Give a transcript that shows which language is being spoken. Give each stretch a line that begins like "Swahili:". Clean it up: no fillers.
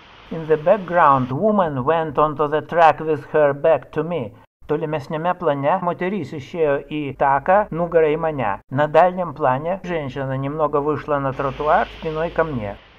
English: In the background, woman went onto the track with her back to me.
Lithuanian: Tolimesniame plane, moteris išėjo į taką, nugarą į mane.
Russian: На дальнем плане, женщина немного вышла на тротуар, спиной ко мне.